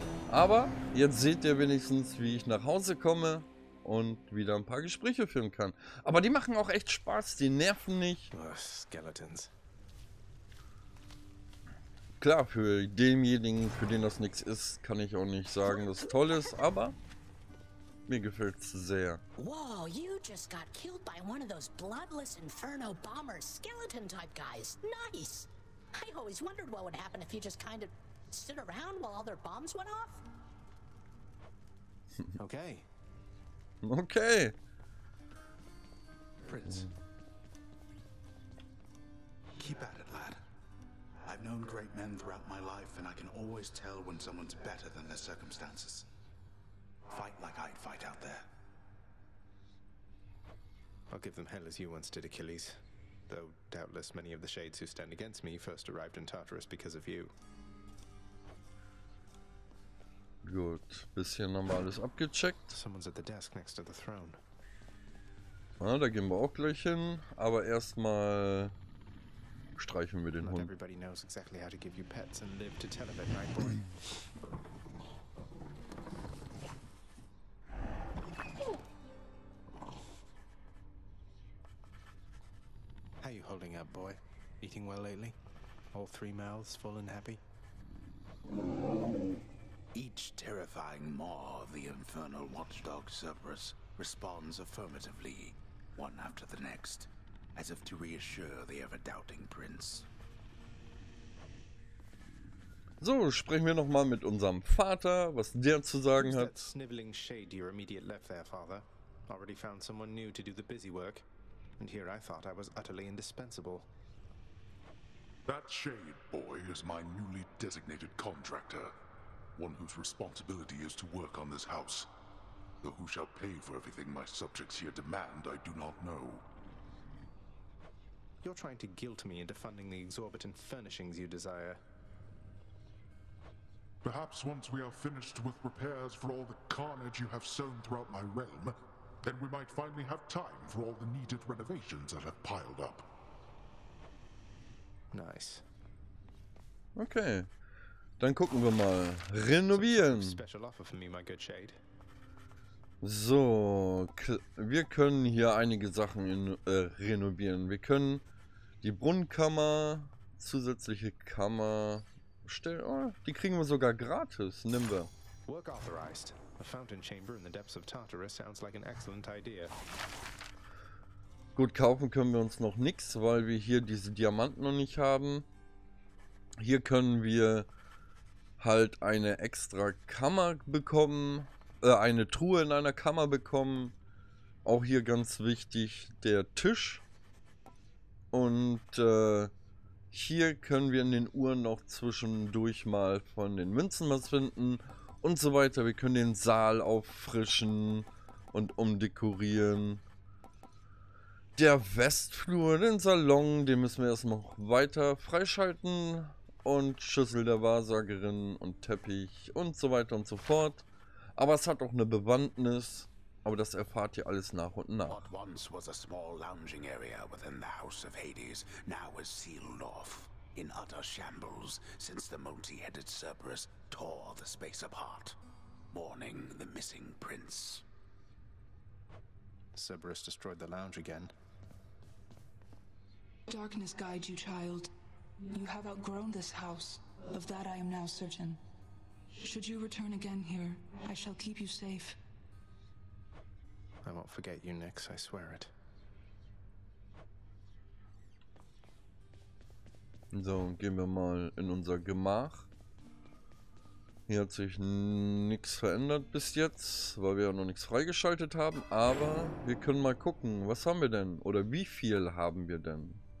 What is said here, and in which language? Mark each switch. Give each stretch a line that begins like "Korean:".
German: Aber jetzt seht ihr wenigstens, wie ich nach Hause komme und wieder ein paar Gespräche führen kann. Aber die machen auch echt Spaß, die nerven nicht.
English: Skeletons.
German: Klar, für denjenigen, für den das nichts ist, kann ich auch nicht sagen, dass es toll ist, aber... Mir gefällt's sehr.
English: Whoa, you just got killed by one of those bloodless inferno bomber skeleton type guys. Nice. I always wondered what would happen if you just kind of stood around while all their bombs went off. Okay. Okay. Prince. Keep at it, lad. I've known great men throughout my life and I can always tell when someone's better than their circumstances. Fight like I'd fight out there. I'll give them hell as you once did, Achilles. Though doubtless many of the shades who stand against me first arrived in Tartarus because of you.
German: Gut, bisschen haben wir alles abgecheckt.
English: Someone's at the desk next to the throne.
German: Ah, da gehen wir auch gleich hin, aber erstmal streichen wir den Hund.
English: Everybody knows exactly how to give you pets and live to tell of it, right, boy? How you holding up, boy? Eating well lately? All three mouths full and happy? Each terrifying maw of the infernal watchdog Cerberus responds affirmatively, one after the next, as if to reassure the ever-doubting prince.
German: So, sprechen wir noch mal mit unserem Vater, was der zu sagen hat.
English: That sniveling shade your immediate left there, father? Already found someone new to do the busy work. And here I thought I was utterly indispensable. That shade, boy, is my newly designated contractor. One whose responsibility is to work on this house. Though who shall pay for everything my subjects here demand, I do not know. You're trying to guilt me into funding the exorbitant furnishings you desire. Perhaps once we are finished with repairs for all the carnage you have sown throughout my realm, then we might finally have time for all the needed renovations that have piled up. Nice.
German: Okay. Dann gucken wir mal. Renovieren.
English: Special offer for me, my good shade.
German: So, wir können hier einige Sachen renovieren. Wir können die Brunnenkammer, zusätzliche Kammer stellen. Oh, die kriegen wir sogar gratis. Nehmen wir.
English: Work authorized. A fountain chamber in the depths of Tartarus sounds like an excellent idea.
German: Gut, kaufen können wir uns noch nichts, weil wir hier diese Diamanten noch nicht haben. Hier können wir halt eine extra Kammer bekommen. Eine Truhe in einer Kammer bekommen. Auch hier ganz wichtig der Tisch. Und hier können wir in den Uhren noch zwischendurch mal von den Münzen was finden. Und so weiter. Wir können den Saal auffrischen und umdekorieren. Der Westflur, den Salon, den müssen wir erstmal noch weiter freischalten. Und Schüssel der Wahrsagerin und Teppich und so weiter und so fort. Aber es hat auch eine Bewandtnis. Aber das erfahrt ihr alles nach und nach.
English: What once was a small lounging area within the House of Hades, now is sealed off in utter shambles, since the multi-headed Cerberus tore the space apart, mourning the missing prince. Cerberus destroyed the lounge again. Darkness guides you, child. You have outgrown this house. Of that I am now certain. Should you return again here, I shall keep you safe. I won't forget you, Nix, I swear it.
German: So, gehen wir mal in unser Gemach. Hier hat sich nichts verändert bis jetzt, weil wir ja noch nichts freigeschaltet haben. Aber wir können mal gucken, was haben wir denn? Oder wie viel haben wir denn?